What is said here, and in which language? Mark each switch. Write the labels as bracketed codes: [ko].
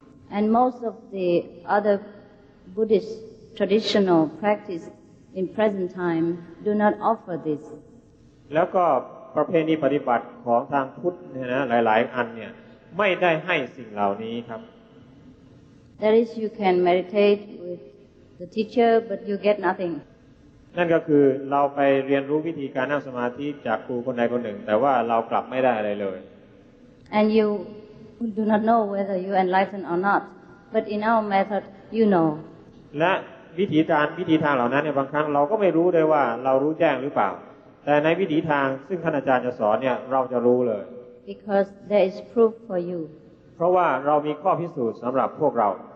[en] And most of the other Buddhist traditional practice in present time do not offer this [th] แล้วก็ประเพณีปฏิบัติของทางพุทธนะหลายๆอันเนี่ยไม่ได้ให้สิ่งเหล่านี้ครับ [en] That is you can meditate with the teacher but you get nothing [th] นั่นก็คือเราไปเรียนรู้วิธีการนั่งสมาธิจากครูคนใดคนหนึ่งแต่ว่าเรากลับไม่ได้อะไรเลย [en] And you do not know whether you enlightened or not but in our method you know [th] และวิธีทางเหล่านั้นเนี่ยบางครั้งเราก็ไม่รู้ด้วยว่าเรารู้แจ้งหรือเปล่าแต่ในวิธีทางซึ่งท่านอาจารย์จะสอนเนี่ยเราจะรู้เลย [en] Because there is proof for you [th] เพราะว่าเรามีข้อพิสูจน์สำหรับพวกเรา